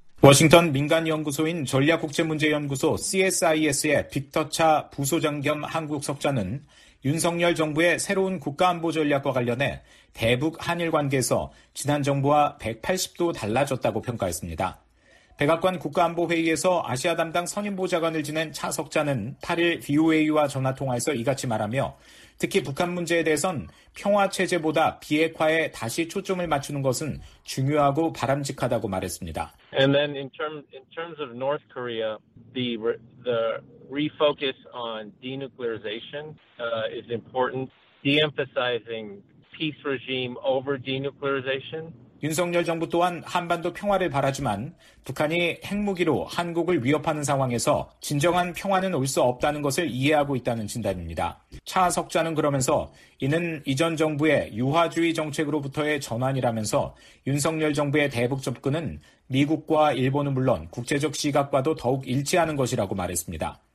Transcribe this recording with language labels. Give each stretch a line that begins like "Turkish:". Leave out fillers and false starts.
Korean: 워싱턴 민간연구소인 전략국제문제연구소 CSIS의 빅터 차 부소장 겸 한국석좌는 윤석열 정부의 새로운 국가안보 전략과 관련해 대북 한일 관계에서 지난 정부와 180도 달라졌다고 평가했습니다. 백악관 국가안보회의에서 아시아 담당 선임보좌관을 지낸 차 석좌는 8일 VOA와 전화통화에서 이같이 말하며 특히 북한 문제에 대해선 평화체제보다 비핵화에 다시 초점을 맞추는 것은 중요하고 바람직하다고 말했습니다.
English: And then in terms of North Korea, the refocus on denuclearization is important, de-emphasizing peace regime over denuclearization.
Korean: 윤석열 정부 또한 한반도 평화를 바라지만 북한이 핵무기로 한국을 위협하는 상황에서 진정한 평화는 올 수 없다는 것을 이해하고 있다는 진단입니다. 차 석좌는 그러면서 이는 이전 정부의 유화주의 정책으로부터의 전환이라면서 윤석열 정부의 대북 접근은 미국과 일본은 물론 국제적 시각과도 더욱 일치하는 것이라고 말했습니다.